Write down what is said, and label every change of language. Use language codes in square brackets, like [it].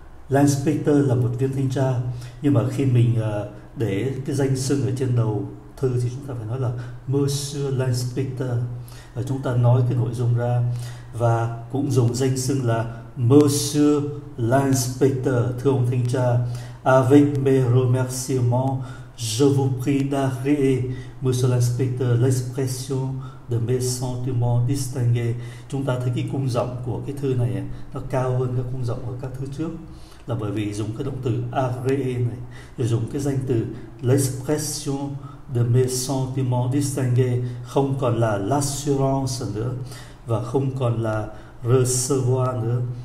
[vi] L'inspecteur là một viên thanh tra, nhưng mà khi mình để cái danh xưng ở trên đầu thư thì chúng ta phải nói là [fr] Monsieur l'inspecteur, [vi] và chúng ta nói cái nội dung ra và cũng dùng danh xưng là Monsieur l'inspecteur, thưa ông thanh tra. [fr] Avec mes remerciements, je vous prie d'agréer, Monsieur l'inspecteur, l'expression de mes sentiments distingués. [vi] Chúng ta thấy cái cung giọng của cái thư này nó cao hơn các cung giọng ở các thư trước, là bởi vì dùng cái động từ agréer này, rồi dùng cái danh từ [fr] l'expression de mes sentiments distingués, [vi] không còn là l'assurance nữa và không còn là recevoir nữa.